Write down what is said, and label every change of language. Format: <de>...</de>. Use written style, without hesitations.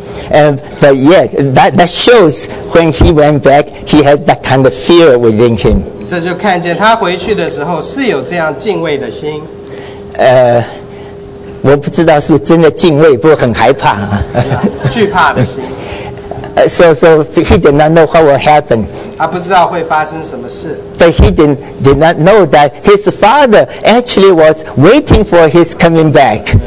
<en>And but yet that shows when he went back, he had that kind of fear within him.</en> <zh>这就看见他回去的时候是有这样敬畏的心。我不知道是不是真的敬畏，不过很害怕。惧怕的心。</zh> <en>So he did not know what will happen.</en> <zh>他不知道会发生什么事。</zh> <en>But he did not know that his father actually was waiting for his coming back.</en>